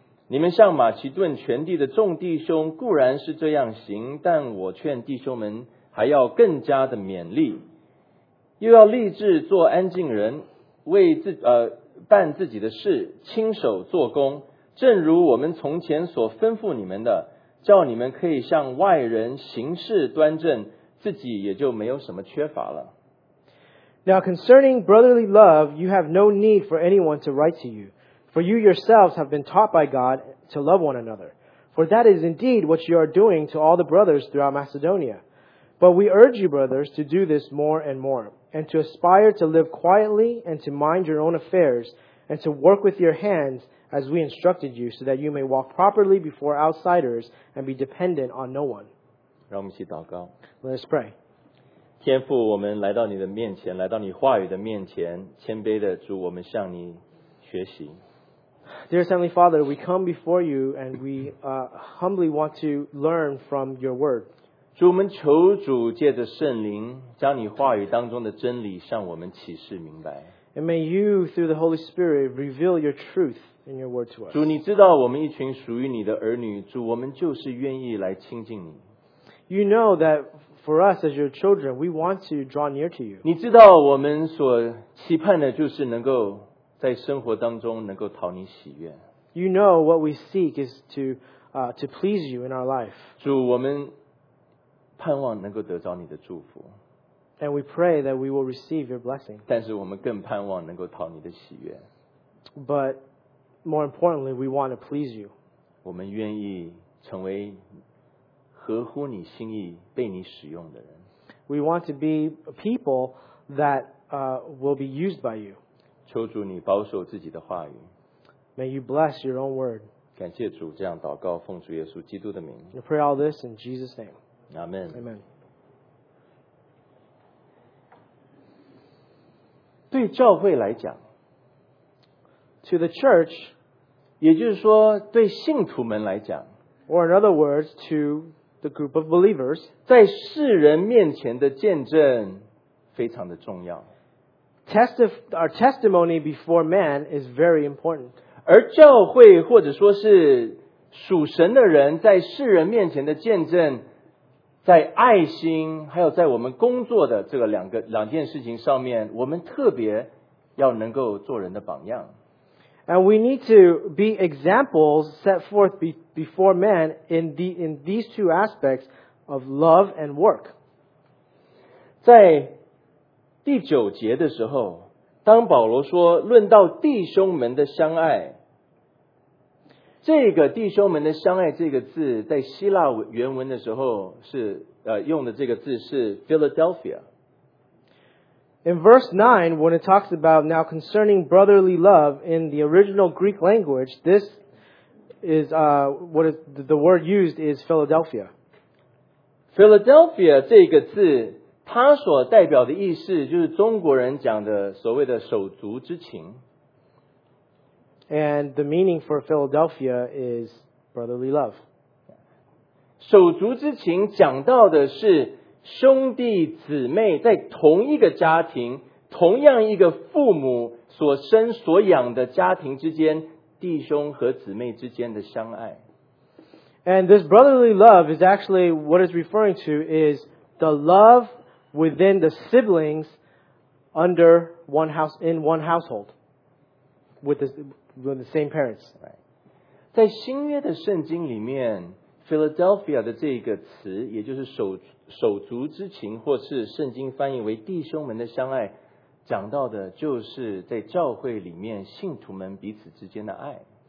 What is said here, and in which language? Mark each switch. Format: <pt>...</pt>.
<zh>你们像马其顿全地的众弟兄固然是这样行，但我劝弟兄们还要更加的勉励，又要立志做安静人，为自办自己的事，亲手做工，正如我们从前所吩咐你们的，叫你们可以向外人行事端正，自己也就没有什么缺乏了。</zh> <en>Now concerning brotherly love, you have no need for anyone to write to you, for you yourselves have been taught by God to love one another. For that is indeed what you are doing to all the brothers throughout Macedonia. But we urge you, brothers, to do this more and more, and to aspire to live quietly and to mind your own affairs, and to work with your hands,as we instructed you, so that you may walk properly before outsiders and be dependent on no one.</en> <zh>让我们一起祷告。</zh> <en>Let us pray.</en> <zh>天父，我们来到你的面前，来到你话语的面前，谦卑的主，我们向你学习。</zh> <en>Dear Heavenly Father, we come before you and we humbly want to learn from your word.</en> <zh>主，我们求主借着圣灵，将你话语当中的真理向我们启示明白。</zh> <en>And may you, through the Holy Spirit, reveal your truth. In your word to us.</en> <zh>主，你知道我们一群属于你的儿女，主，我们就是愿意来亲近你。</zh> <en>You know that for us as your children, we want to draw near to you.</en> <zh>你知道我们所期盼的就是能够在生活当中能够讨你喜悦。</zh> <en>You know what we seek is to please you in our life.</en> <zh>主，我们盼望能够得着你的祝福。</zh> <en>And we pray that we will receive your blessing.</en> <zh>但是我们更盼望能够讨你的喜悦。</zh> <en>But More importantly, we want to please you.</en> <zh>我们愿意成为合乎你心意被你使用的人。</zh> <en>We want to be people that will be used by you.</en> <zh>求主你保守自己的话语。</zh> <en>May you bless your own word.</en> <zh>感谢主，这样祷告，奉主耶稣基督的名。</zh> <en>We pray all this in Jesus' name. Amen. Amen.</en> <zh>对教会来讲。</zh> <en>To the church,</en> <zh>也就是说对信徒们来讲</zh> <en>or in other words, to the group of believers,</en> <zh>在世人面前的见证非常的重要。</zh> <en>Our testimony before man is very important.</en> <zh>而教会或者说是属神的人在世人面前的见证，在爱心还有在我们工作的这个两件事情上面，我们特别要能够做人的榜样。</zh> <en>And we need to be examples set forth before men in these two aspects of love and work.</en> <zh>在第九节的时候，当保罗说论到弟兄们的相爱，这个弟兄们的相爱这个字在希腊原文的时候是用的这个字是 Philadelphia。</zh> <en>In verse 9, when it talks about now concerning brotherly love in the original Greek language, this is what is the word used is Philadelphia.</en> <zh>Philadelphia 这个字它所代表的意思就是中国人讲的所谓的手足之情。</zh> <en>And the meaning for Philadelphia is brotherly love.</en> <zh>手足之情讲到的是兄弟姊妹在同一个家庭，同样一个父母所生所养的家庭之间，弟兄和姊妹之间的相爱。</zh> <en>And this brotherly love is actually what it's referring to is the love within the siblings under one house, in one household with the, same parents. Right.</en> <zh>在新约的圣经里面 Philadelphia 的这个词也就是 手足之情或是圣经翻译为弟兄们的相爱讲到的就是在教会里面信徒们彼此之间的爱。</zh>